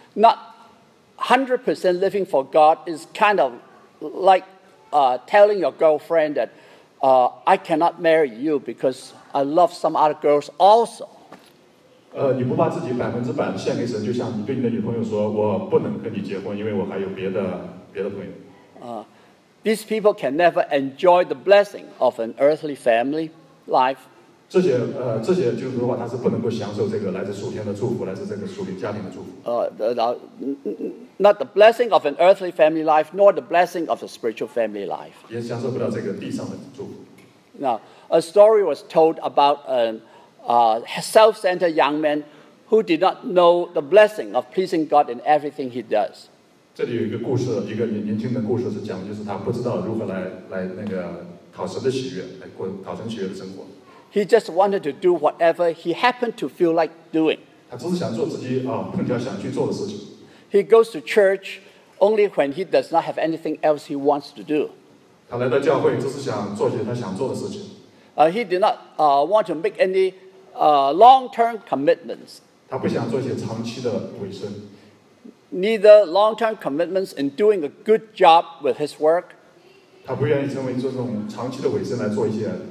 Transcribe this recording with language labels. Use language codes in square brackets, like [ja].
[en] Not 100% living for God is kind of like telling your girlfriend that I cannot marry you because I love some other girls also. [zh] 你不把自己100%献给神，就像你对你的女朋友说，我不能跟你结婚，因为我还有别的朋友。 [en] These people can never enjoy the blessing of an earthly family life. [zh] 这些就是说他是不能够享受这个来自属天的祝福，来自这个属灵家庭的祝福。 [en] Not the blessing of an earthly family life, nor the blessing of a spiritual family life. [zh] 也享受不到这个地上的祝福。 [en] Now, a story was told about a self-centered young man who did not know the blessing of pleasing God in everything he does. [zh] 这里有一个故事，一个年轻的故事是讲，就是他不知道如何来那个讨神的喜悦，来过讨神喜悦的生活。 [en] He just wanted to do whatever he happened to feel like doing. [zh] 他只是想做自己碰巧想去做的事情。 [en] He goes to church only when he does not have anything else he wants to do. [zh] 他来到教会只是想做些他想做的事情。 [en] He did not want to make any long-term commitments. [zh] 他不想做些长期的委身。 [en] Neither long-term commitments in doing a good job with his work. [zh] 他不愿意成为这种长期的委身来做一些。